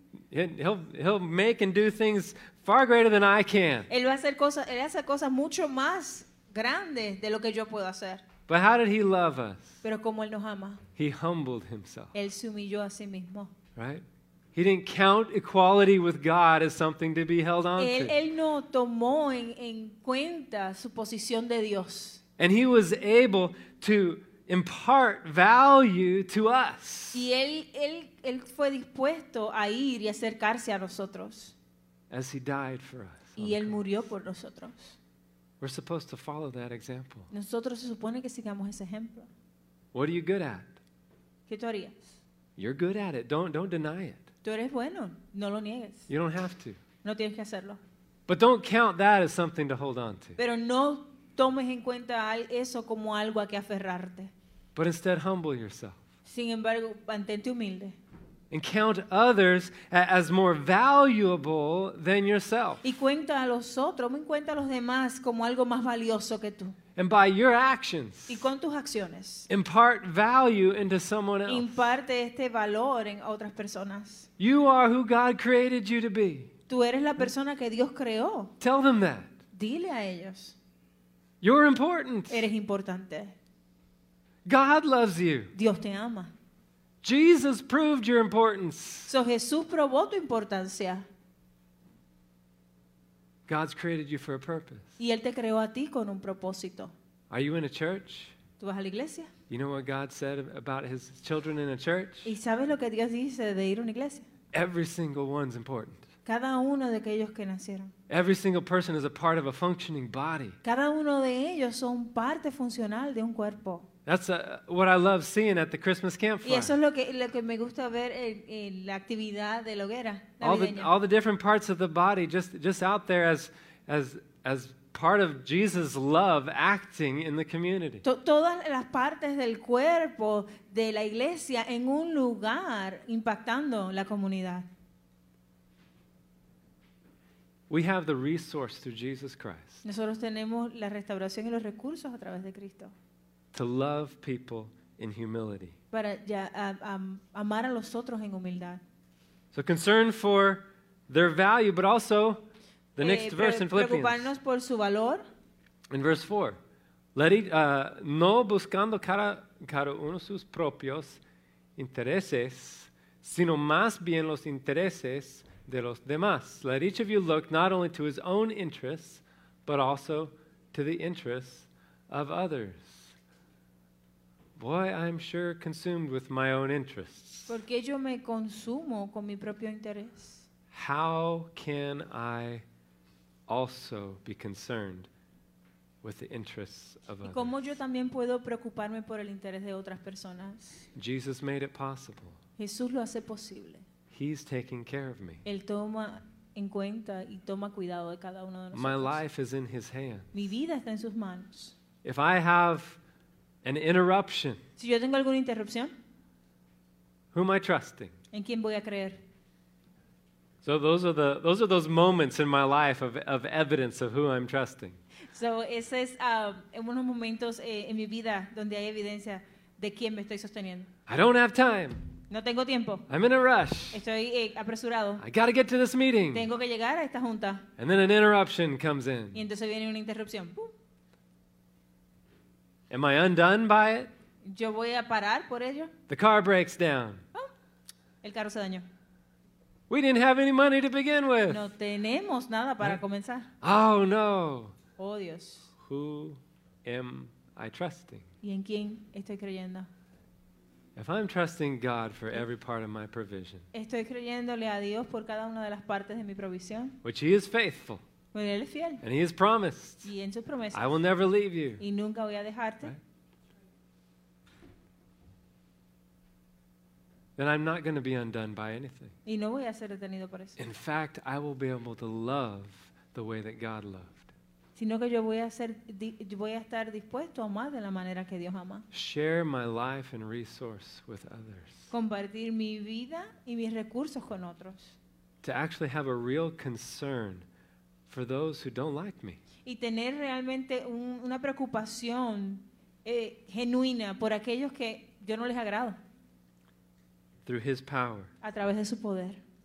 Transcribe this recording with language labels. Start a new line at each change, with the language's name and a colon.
English: He'll make and do things far greater than I can.
Spanish: Él va a hacer cosas, él hace cosas mucho más grandes de lo que yo puedo hacer.
English: But how did he love us?
Spanish: Pero como él nos ama.
English: He humbled himself.
Spanish: Él se humilló a sí mismo.
English: Right? He didn't count equality with God as something to be held on to.
Spanish: Él no tomó en cuenta su posición de Dios.
English: And he was able to impart value to us.
Spanish: Y él fue dispuesto a ir y acercarse a nosotros.
English: As he died for us.
Spanish: Y él murió por nosotros.
English: We're supposed to follow that example.
Spanish: Nosotros se supone que sigamos ese ejemplo.
English: What are you good at?
Spanish: ¿Qué tú harías?
English: You're good at it. Don't deny it.
Spanish: Tú eres bueno. No lo niegues.
English: You don't have to.
Spanish: No tienes que hacerlo.
English: But don't count that as something to hold on to.
Spanish: Pero no tomes en cuenta eso como algo a que aferrarte.
English: But instead, humble yourself.
Spanish: Sin embargo, mantente humilde.
English: And count others as more valuable than yourself.
Spanish: Y cuenta a los otros, me cuenta a los demás como algo más valioso que tú.
English: And by your actions,
Spanish: y con tus acciones,
English: impart value into someone else.
Spanish: Imparte este valor en otras personas.
English: You are who God created you to be.
Spanish: Tú eres la persona que Dios creó.
English: Tell them that.
Spanish: Dile a ellos.
English: You're important.
Spanish: Eres importante.
English: God loves you.
Spanish: Dios te ama.
English: Jesus proved your importance.
Spanish: So Jesús probó tu importancia.
English: God's created you for a purpose.
Spanish: Y él te creó a ti con un propósito.
English: Are you in a church?
Spanish: ¿Tú vas a la iglesia?
English: You know what God said about his children in a church?
Spanish: ¿Y sabes lo que Dios dice de ir a una iglesia?
English: Every single one's important.
Spanish: Cada uno de aquellos que nacieron.
English: Every single person is a part of a functioning body.
Spanish: Cada uno de ellos son parte funcional de un cuerpo.
English: That's what I love seeing at the Christmas campfire.
Spanish: Y eso es lo que me gusta ver en la actividad de la hoguera navideña.
English: All the different parts of the body just out there as part of Jesus' love acting in the community.
Spanish: Todas las partes del cuerpo de la iglesia en un lugar impactando la comunidad.
English: We have the resource through Jesus Christ.
Spanish: Nosotros tenemos la restauración y los recursos a través de Cristo.
English: To love people in humility.
Spanish: Para ya, amar a los otros en humildad.
English: So concern for their value, but also the next verse in Philippians.
Spanish: Preocuparnos por su valor.
English: In verse 4,
Spanish: no buscando cada uno sus propios intereses, sino más bien los intereses de los demás.
English: Let each of you look not only to his own interests, but also to the interests of others. Boy, I'm sure consumed with my own interests.
Spanish: ¿Por qué yo me consumo con mi propio interés?
English: How can I also be concerned with the interests of others?
Spanish: ¿Y cómo yo también puedo preocuparme por el interés de otras personas?
English: Jesus made it possible.
Spanish: Jesús lo hace posible.
English: He's taking care of me.
Spanish: Él toma en cuenta y toma cuidado de cada uno de nosotros.
English: My life is in his hands.
Spanish: Mi vida está en sus manos.
English: If I have an interruption.
Spanish: Si yo tengo alguna interrupción,
English: who am I trusting?
Spanish: ¿En quién voy a creer?
English: So those are those moments in my life of evidence of who I'm trusting.
Spanish: So ese es unos momentos en mi vida donde hay evidencia de quién me estoy sosteniendo.
English: I don't have time.
Spanish: No tengo tiempo.
English: I'm in a rush.
Spanish: Estoy apresurado.
English: I gotta get to this meeting.
Spanish: Tengo que llegar a esta junta.
English: And then an interruption comes in.
Spanish: Y entonces viene una interrupción.
English: Am I undone by it?
Spanish: ¿Yo voy a parar por ello?
English: The car breaks down.
Spanish: Oh, el carro se dañó.
English: We didn't have any money to begin with.
Spanish: No tenemos nada para comenzar.
English: Oh no.
Spanish: Oh Dios.
English: Who am I trusting?
Spanish: ¿Y en quién estoy creyendo?
English: If I'm trusting God for every part of my provision.
Spanish: Estoy creyéndole a Dios por cada una de las partes de mi provisión.
English: Which He is faithful. And He has promised.
Spanish: Y en sus promesas,
English: I will never leave you.
Spanish: Y nunca voy a dejarte.
English: Right? Then I'm not going to be undone by anything.
Spanish: Y no voy a ser detenido por eso.
English: In fact, I will be able to love the way that God loved.
Spanish: Sino que yo voy a estar dispuesto a amar de la manera que Dios ama.
English: Share my life and resource with others.
Spanish: Compartir mi vida y mis recursos con otros.
English: To actually have a real concern for those who don't like me.
Spanish: Y tener realmente una preocupación genuina por aquellos que yo no les agrado.
English: Through His power.
Spanish: A través de su poder.